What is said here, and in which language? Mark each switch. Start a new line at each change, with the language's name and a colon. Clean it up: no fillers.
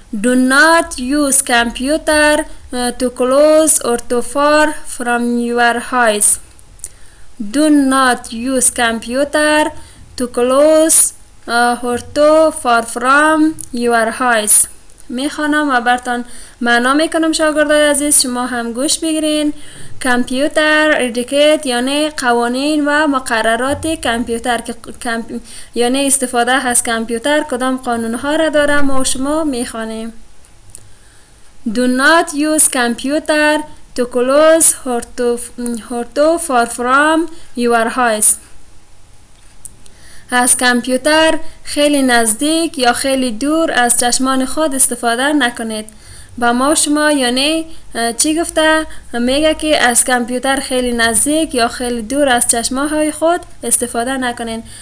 English: Do not use computer to close or to far from your eyes. Do not use computer to close or to far from your eyes.
Persian: میخوانم و برتان معنا میکنم شاگردای عزیز، شما هم گوش بگیرین. کامپیوتر اتیکت یعنی قوانین و مقررات کمپیوتر که یعنی استفاده از کامپیوتر کدام قانون ها را داره ما شما میخوانیم.
English: Do not use computer to close her to far from your house.
Persian: از کامپیوتر خیلی نزدیک یا خیلی دور از چشمان خود استفاده نکنید. با ما شما یعنی چی گفته؟ میگه که از کامپیوتر خیلی نزدیک یا خیلی دور از چشمان‌های خود استفاده نکنین.